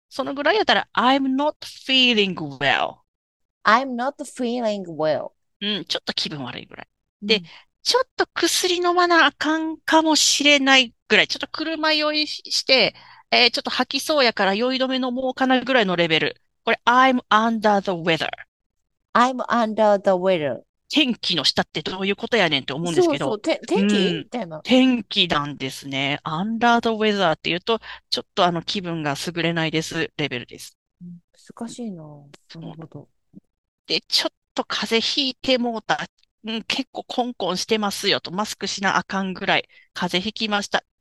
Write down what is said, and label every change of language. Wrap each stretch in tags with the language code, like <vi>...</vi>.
<ja>そのぐらいやったら、</ja> <en>I'm not feeling well。 I'm not feeling well.</en> <ja>うん、ちょっと気分悪いぐらい。で、ちょっと薬飲まなあかんかもしれないぐらい。ちょっと車酔いして、ちょっと吐きそうやから酔い止め飲もうかなぐらいのレベル。</ja> <en>これ、I'm under the weather。 I'm under the weather.</en> <ja>天気の下ってどういうことやねんって思うんですそうけど、そう、天気？うん、みたいな。天気なんですね。</ja> <en>under the weather</en> <ja>って言うと、ちょっと気分が優れないですレベルです。難しいな。なるほど。で、ちょっと風邪ひいてもうた。うん、結構コンコンしてますよと、マスクしなあかんぐらい、風邪ひきました。</ja>